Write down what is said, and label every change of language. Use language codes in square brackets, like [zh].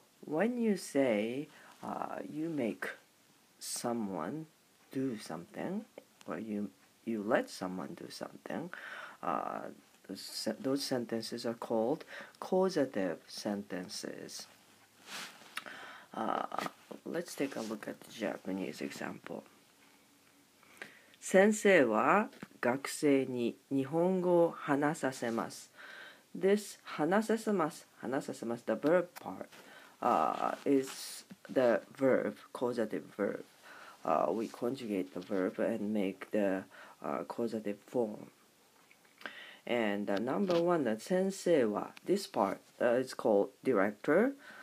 [en] When you say, you make someone do something, or you let someone do something, those sentences are called causative sentences. Let's take a look at the Japanese example. [ja] 先生は学生に日本語を話させます。 This 話させます。話させます。 [en] The verb part, is the verb, causative verb. We conjugate the verb and make the, causative form. And, number one, that [ja] 先生は [en] this part, is called director.